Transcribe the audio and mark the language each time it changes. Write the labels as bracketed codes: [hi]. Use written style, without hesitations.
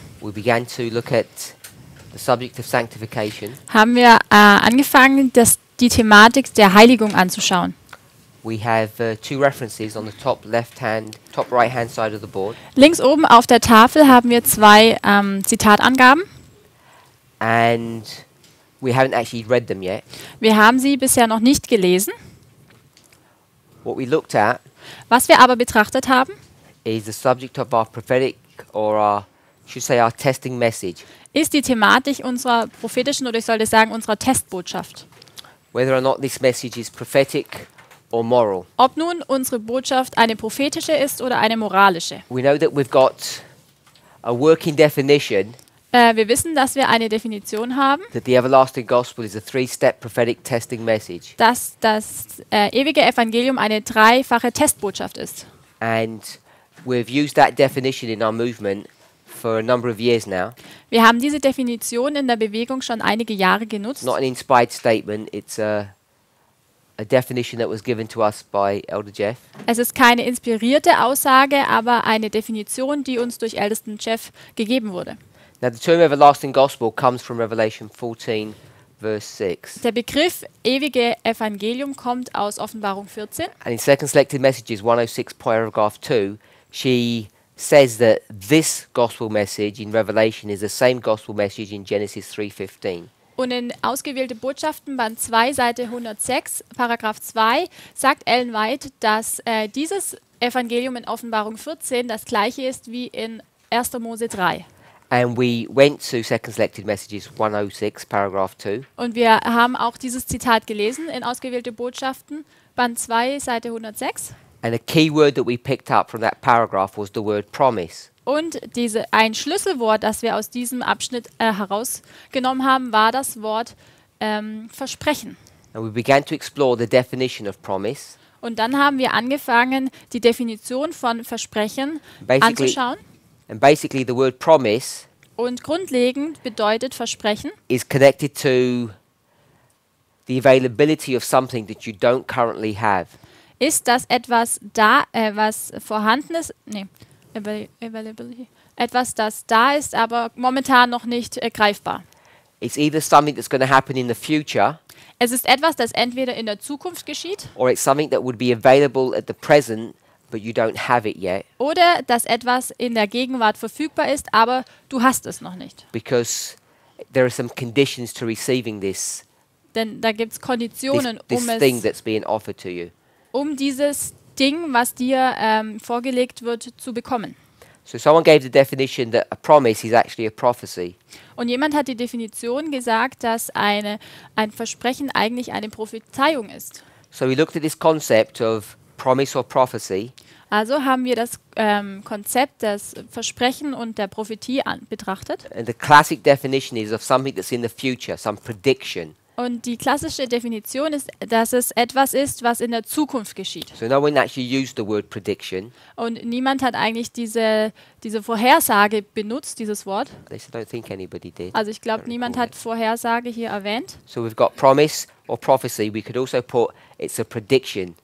[en] we began to look at the subject of sanctification. [de] Haben wir angefangen, die Thematik der Heiligung anzuschauen. [en] We have two references on the top left-hand, top right-hand side of the board. [de] Links oben auf der Tafel haben wir zwei Zitatangaben. [en] And we haven't actually read them yet. [de] Wir haben sie bisher noch nicht gelesen. [en] What we looked at, [de] was wir aber betrachtet haben, [en] is the subject of our prophetic or our, should say our testing message. [de] Ist die Thematik unserer prophetischen oder ich sollte sagen unserer Testbotschaft. [en] Whether or not this message is prophetic or moral. [de] Ob nun unsere Botschaft eine prophetische ist oder eine moralische. [en] We know that we've got a working definition. [de] Wir wissen, dass wir eine Definition haben. [en] That the everlasting gospel is a three-step prophetic testing message. [de] Dass das ewige Evangelium eine dreifache Testbotschaft ist. [en] And we've used that definition in our movement for a number of years now. [de] Wir haben diese Definition in der Bewegung schon einige Jahre genutzt. [en] Not an inspired statement, it's a definition that was given to us by Elder Jeff. [de] Es ist keine inspirierte Aussage, aber eine Definition, die uns durch Ältesten Jeff gegeben wurde. [en] Now the term everlasting gospel comes from Revelation 14, verse 6. [de] Der Begriff ewige Evangelium kommt aus Offenbarung 14. [en] And in Second Selected Messages 106, paragraph 2, she says that this gospel message in Revelation is the same gospel message in Genesis 3:15. [de] Und in Ausgewählte Botschaften, Band 2, Seite 106, Paragraph 2, sagt Ellen White, dass dieses Evangelium in Offenbarung 14 das gleiche ist wie in 1. Mose 3. [en] And we went to Second Selected Messages 106, Paragraph 2. [de] Und wir haben auch dieses Zitat gelesen in Ausgewählte Botschaften, Band 2, Seite 106. [en] And a key word that we picked up from that paragraph was the word promise. [de] Und diese ein Schlüsselwort, das wir aus diesem Abschnitt herausgenommen haben, war das Wort Versprechen. [en] And we began to explore the definition of promise. [de] Und dann haben wir angefangen, die Definition von Versprechen anzuschauen. [en] And basically the word promise, [de] und grundlegend bedeutet Versprechen, [en] is connected to the availability of something that you don't currently have. [de] Ist das etwas da, was vorhanden ist? Nee, availability. Etwas, das da ist, aber momentan noch nicht greifbar. [en] It's either something that's going to happen in the future. [de] Es ist etwas, das entweder in der Zukunft geschieht. [en] Or it's something that would be available at the present, but you don't have it yet. [de] Oder dass etwas in der Gegenwart verfügbar ist, aber du hast es noch nicht. [en] Because there are some conditions to receiving this. [de] Denn da gibt's Konditionen, [en] this thing that's being offered to you. [de] Um dieses Ding, was dir vorgelegt wird, zu bekommen. [en] So someone gave the definition that a promise is actually a prophecy. [de] Und jemand hat die Definition gesagt, dass ein Versprechen eigentlich eine Prophezeiung ist. [en] So we looked at this concept of promise or prophecy. [de] Also haben wir das Konzept des Versprechen und der Prophetie betrachtet. [en] And the classic definition is of something that's in the future, some prediction. [de] Und die klassische Definition ist, dass es etwas ist, was in der Zukunft geschieht. [en] So no one actually used the word prediction. [de] Und niemand hat eigentlich diese Vorhersage benutzt, dieses Wort. [en] At least I don't think anybody did. [de] Also ich glaube, niemand hat Vorhersage hier erwähnt. [en] So we've got promise or prophecy. We could also put it's a prediction.